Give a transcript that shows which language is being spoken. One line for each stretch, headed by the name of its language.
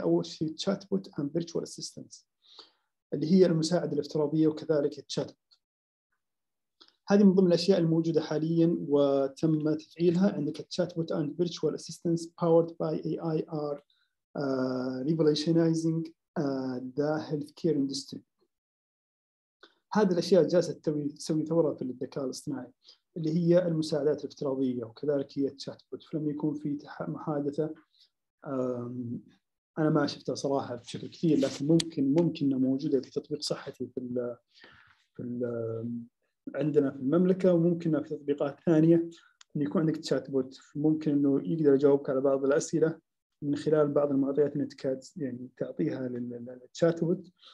Arabic: اول شيء تشات بوت
English: and virtual assistant
Arabic: اللي هي المساعده الافتراضيه وكذلك التشات بوت. هذه من ضمن الاشياء الموجوده حاليا وتم تفعيلها. عندك تشات بوت
English: and virtual assistant powered by AI are revolutionizing the healthcare industry.
Arabic: هذه الأشياء جالسة تسوي ثورة في الذكاء الاصطناعي اللي هي المساعدات الافتراضية وكذلك هي تشات بوت. فلما يكون في محادثة أنا ما شفتها صراحة بشكل كثير، لكن ممكن موجودة في تطبيق صحتي عندنا في المملكة وممكن في تطبيقات ثانية إن يكون عندك تشات بوت ممكن إنه يقدر يجاوبك على بعض الأسئلة من خلال بعض المعطيات نتكات يعني تعطيها للتشات بوت.